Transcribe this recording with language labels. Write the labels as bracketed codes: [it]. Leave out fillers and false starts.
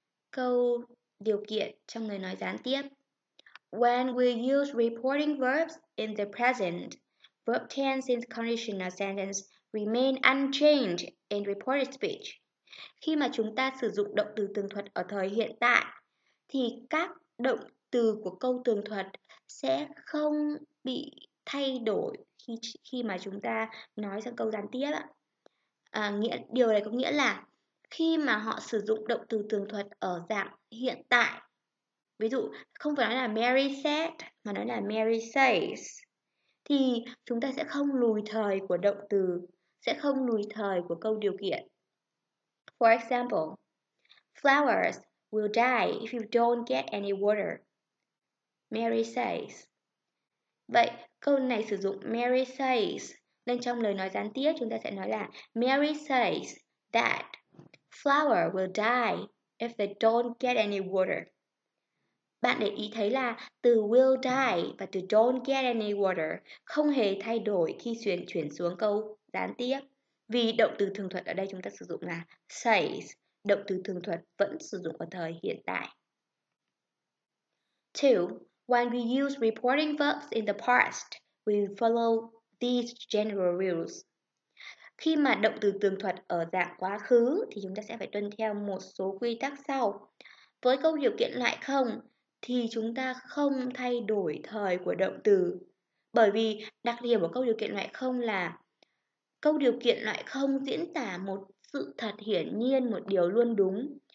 [vi] Câu điều kiện trong lời nói gián tiếp. [en] When we use reporting verbs in the present, verb tense in conditional sentence remain unchanged in reported speech. [vi] Khi mà chúng ta sử dụng động từ tường thuật ở thời hiện tại, thì các động từ của câu tường thuật sẽ không bị thay đổi khi mà chúng ta nói sang câu gián tiếp ạ. Điều này có nghĩa là khi mà họ sử dụng động từ tường thuật ở dạng hiện tại Ví dụ, không phải nói là [en] Mary said, [vi] mà nói là [en] Mary says. [vi] Thì chúng ta sẽ không lùi thời của động từ, sẽ không lùi thời của câu điều kiện. [en] For example, flowers will die if you don't get any water. Mary says. [vi] Vậy, câu này sử dụng Mary says. Nên trong lời nói gián tiếp, chúng ta sẽ nói là [en] Mary says that flower will die if they don't get any water. [vi] Bạn để ý thấy là từ will die và từ don't get any water không hề thay đổi khi chuyển xuống câu gián tiếp. Vì động từ thường thuật ở đây chúng ta sử dụng là says. Động từ thường thuật vẫn sử dụng ở thời hiện tại. 2. [en] When we use reporting verbs in the past, we follow these general rules. [vi] Khi mà động từ tường thuật ở dạng quá khứ thì chúng ta sẽ phải tuân theo một số quy tắc sau. Với câu điều kiện lại không thì chúng ta không thay đổi thời của động từ. Bởi vì đặc điểm của câu điều kiện lại không là câu điều kiện lại không diễn tả một sự thật hiển nhiên, một điều luôn đúng.